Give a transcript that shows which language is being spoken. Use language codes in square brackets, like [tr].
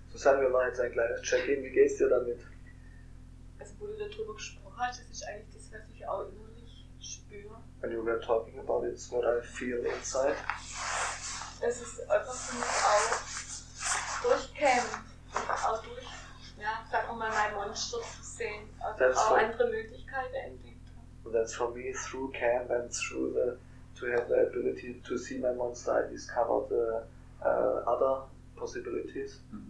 [de] Susanna, wir machen jetzt ein kleines Check-in. Wie geht's dir damit? Also, wo du darüber gesprochen hast, das ist eigentlich das, was ich auch innerlich spüre. [en] When you were talking about it, it's what I feel inside. [de] Es ist einfach für mich auch durchkämmen, auch durch, ja, sag mal, mein Monster zu sehen, also auch andere Möglichkeiten entdeckt. [en] That's for me, through camp and through the, to have the ability to see my monster, I discovered other possibilities.